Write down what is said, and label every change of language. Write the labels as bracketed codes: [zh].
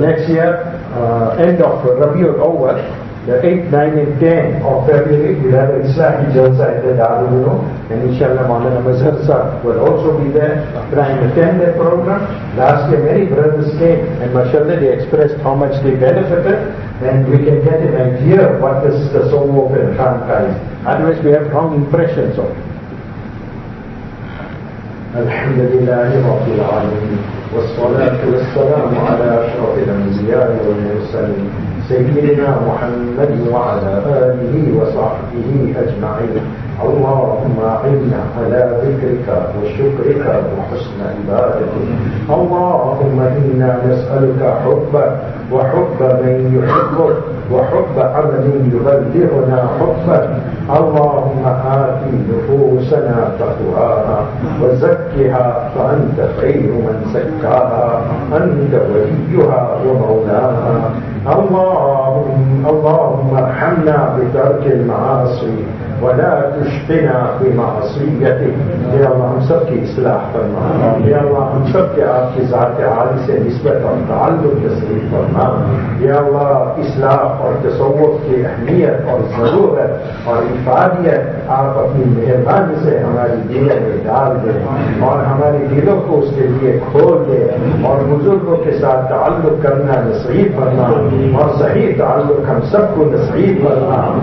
[en] Next year, end of Rabiul Awwal, the 8, 9 and 10 of February, we'll have an Islami Jalsa at the Darul Uloom, and inshallah Maulana Mazhar Sahib will also be there trying to attend that program. Last year many brothers came and mashallah they expressed how much they benefited, and we can get an idea of what is the soul of the Khanqa is. Otherwise we have wrong impressions of it. [ar] Alhamdulillah Rabbil Alameen. والصلاة والسلام على أشرف الأنبياء والمرسلين سيدنا محمد وعلى آله وصحبه أجمعين. اللهم أعنا على ذكرك وشكرك وحسن عبادتك. اللهم إنا نسألك حبك وحب من يحبك وحب عبد يبلغنا حبك. اللهم آت نفوسنا تقواها وزكها فأنت خير من زكاها أنت وليها ومولاها. اللهم ارحمنا بترك المعاصي ولا تشقنا بمعصيتك. [ur] يا الله ہم سب کی اصلاح فرما. يا الله ہم سب کے آپ کی ذات عالی سے نسبت اور تعلق تصریف فرما. يا الله اصلاح اور تصوف کی اہمیت اور ضرورت اور افادیت آپ اپنی مہربانی سے ہماری دلوں میں ڈال دیں اور ہماری دلوں کو اس کے لیے کھول دیں اور بزرگوں کے ساتھ تعلق کرنا نصیب فرما اور صحیح تعلق ہم سب کو نصیب فرما.